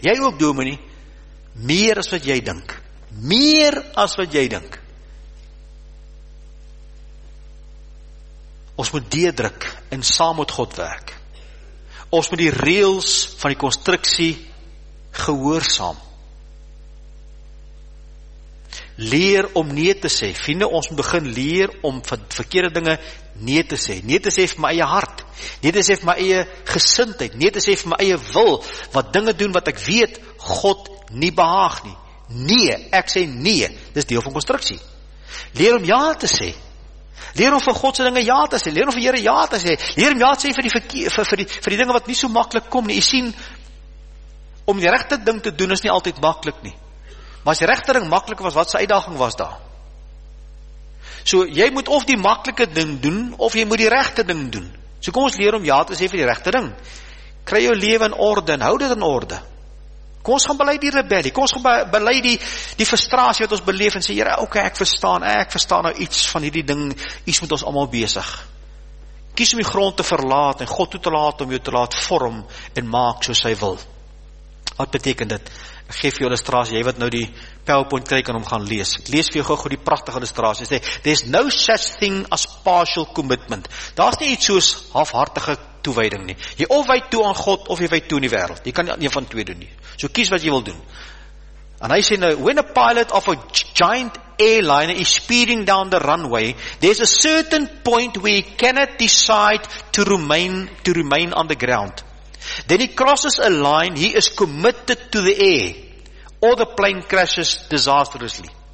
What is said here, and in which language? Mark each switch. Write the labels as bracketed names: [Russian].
[Afrikaans] Jy ook, dominee, meer as wat jy dink. Meer as wat jy dink. Ons moet deurdruk en saam met God werk. Ons moet die reëls van die konstruksie gehoorsaam. Leer om nee te sê. Vriende, ons moet begin leer om verkeerde dinge nee te sê. Nee te sê vir my eie hart. Nee te sê vir my eie gesindheid. Nee te sê vir my eie wil. Wat dinge doen wat ek weet God nie behaag nie. Nee, ek sê nee. Dis deel van konstruksie. Leer om ja te sê. Leer om vir Godse dinge ja te sê. Leer om vir Here ja te sê. Leer om ja te sê vir die dinge wat nie so maklik kom nie. Jy sien, om die regte ding te doen is nie altyd maklik nie. Maar as die regte ding maklik was, wat sy uitdaging was daar? So, jy moet of die maklike ding doen, of jy moet die regte ding doen. So kom ons leer om ja te sê vir die regte ding. Kry jou lewe in orde en hou dit in orde. Kom ons gaan belei die rebellie, kom ons gaan belei die frustrasie wat ons beleef en sê, Here, okay, ek verstaan nou iets van hierdie ding, iets moet ons allemaal besig. Kies om die grond te verlaat en God toe te laat om jou te laat vorm en maak soos hy wil. Wat beteken dit? Ek geef jou illustrasie, jy wat nou die PowerPoint kry kan om gaan lees. Ek lees vir jou gou die prachtige illustrasie, sê, there's no such thing as partial commitment. Daar is nie iets soos halfhartige toewijding nie. Jy of wy toe aan God, of jy wy toe in die wereld. Jy kan nie van twee doen nie. So kies wat jy wil doen. En hy sê nou, [English] when a pilot of a giant airliner is speeding down the runway, there's a certain point where he cannot decide to remain on the ground. Then he crosses a line, he is committed to the air, or the plane crashes disastrously.